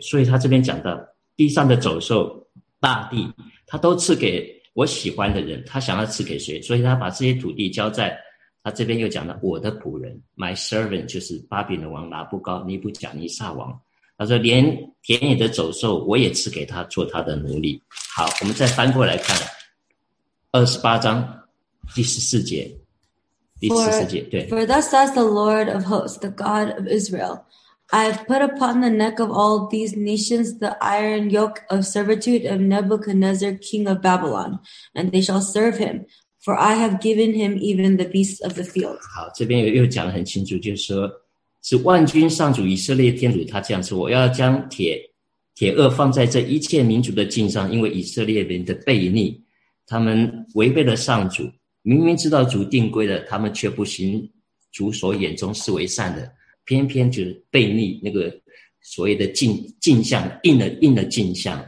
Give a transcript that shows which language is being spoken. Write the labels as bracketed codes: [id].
[zh] 所以他这边讲到地上的走兽大地，他都赐给我喜欢的人，他想要赐给谁，所以他把这些土地交在他这边又讲到我的仆人 [en] My servant [zh] 就是巴比伦王拿布高尼布甲尼撒王，他说连田野的走兽我也赐给他做他的奴隶。好，我们再翻过来看28章第14节。 [en] For thus says the Lord of hosts, the God of Israel, I have put upon the neck of all these nations the iron yoke of servitude of Nebuchadnezzar, king of Babylon, and they shall serve him, for I have given him even the beasts of the field. [zh] 好，这边又讲得很清楚，就是说，是万军上主以色列天主他这样说，我要将铁轭放在这一切民族的颈上，因为以色列人的悖逆，他们违背了上主。明明知道主定规的，他们却不行主所眼中视为善的，偏偏就背逆那个所谓的镜像，硬的镜像。